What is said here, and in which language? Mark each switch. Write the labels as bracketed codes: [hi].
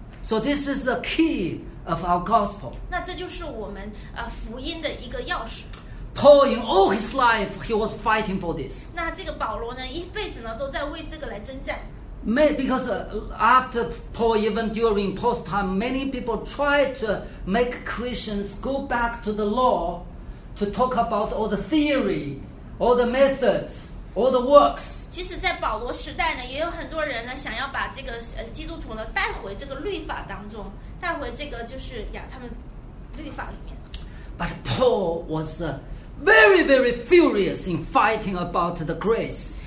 [en] So this is the key of our gospel. [zh] 那这就是我们福音的一个钥匙。 [en] Paul, in all his life, he was fighting for this. [zh] 那这个保罗呢，一辈子呢都在为这个来征战。 [en] Because after Paul, even during Paul's time, many people tried to make Christians go back to the law to talk about all the theory, all the methods, all the works. [zh] 其实，在保罗时代呢，也有很多人呢想要把这个基督徒呢带回这个律法当中，带回这个就是他们律法里面。 [en] But Paul was. very, very furious in fighting about the grace.